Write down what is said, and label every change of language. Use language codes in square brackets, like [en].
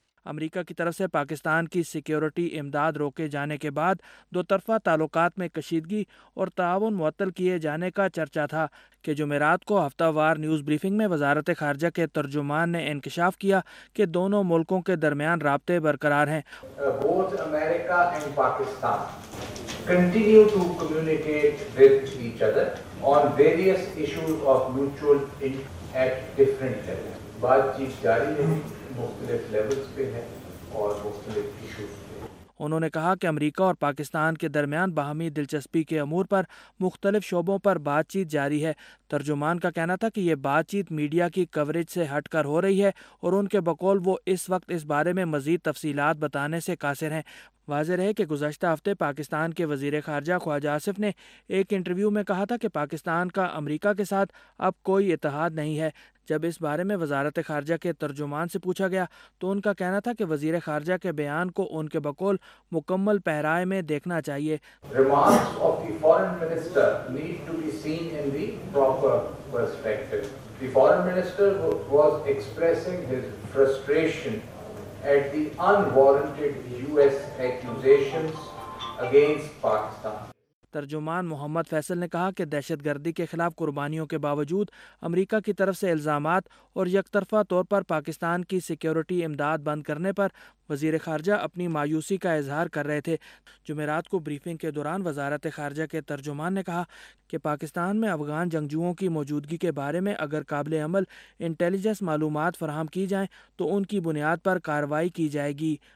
[ur] امریکہ کی طرف سے پاکستان کی سیکیورٹی امداد روکے جانے کے بعد دو طرفہ تعلقات میں کشیدگی اور تعاون معطل کیے جانے کا چرچا تھا کہ جمعرات کو ہفتہ وار نیوز بریفنگ میں وزارت خارجہ کے ترجمان نے انکشاف کیا کہ دونوں ملکوں کے درمیان رابطے برقرار ہیں. [en] Both America and Pakistan continue to communicate with each other on various issues of mutual at different levels. [ur] بات چیت جاری ہے, مختلف لیولز پہ ہے اور مختلف ایشوز. انہوں نے کہا کہ امریکہ اور پاکستان کے درمیان باہمی دلچسپی کے امور پر مختلف شعبوں پر بات چیت جاری ہے. ترجمان کا کہنا تھا کہ یہ بات چیت میڈیا کی کوریج سے ہٹ کر ہو رہی ہے اور ان کے بقول وہ اس وقت اس بارے میں مزید تفصیلات بتانے سے قاصر ہیں. واضح رہے کہ گزشتہ ہفتے پاکستان کے وزیر خارجہ خواجہ آصف نے ایک انٹرویو میں کہا تھا کہ پاکستان کا امریکہ کے ساتھ اب کوئی اتحاد نہیں ہے. جب اس بارے میں وزارت خارجہ کے ترجمان سے پوچھا گیا تو ان کا کہنا تھا کہ وزیر خارجہ کے بیان کو ان کے بقول مکمل پہرائے میں دیکھنا چاہیے. [en] Remarks of the foreign minister need to be seen in the proper perspective. The foreign minister was expressing his frustration at the unwarranted US accusations against Pakistan. [ur] ترجمان محمد فیصل نے کہا کہ دہشت گردی کے خلاف قربانیوں کے باوجود امریکہ کی طرف سے الزامات اور یک طرفہ طور پر پاکستان کی سیکیورٹی امداد بند کرنے پر وزیر خارجہ اپنی مایوسی کا اظہار کر رہے تھے. جمعرات کو بریفنگ کے دوران وزارت خارجہ کے ترجمان نے کہا کہ پاکستان میں افغان جنگجوؤں کی موجودگی کے بارے میں اگر قابل عمل انٹیلیجنس معلومات فراہم کی جائیں تو ان کی بنیاد پر کارروائی کی جائے گی.